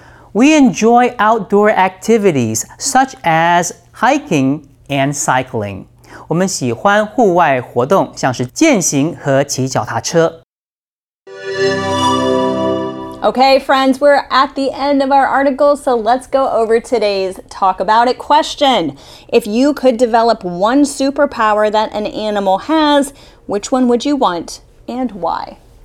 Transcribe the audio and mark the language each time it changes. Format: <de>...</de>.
<en>We enjoy outdoor activities such as hiking and cycling.</en> <zh>我们喜欢户外活动，像是健行和骑脚踏车。</zh> <en>Okay, friends, we're at the end of our article, so let's go over today's talk about it question. If you could develop one superpower that an animal has, which one would you want and why?</en>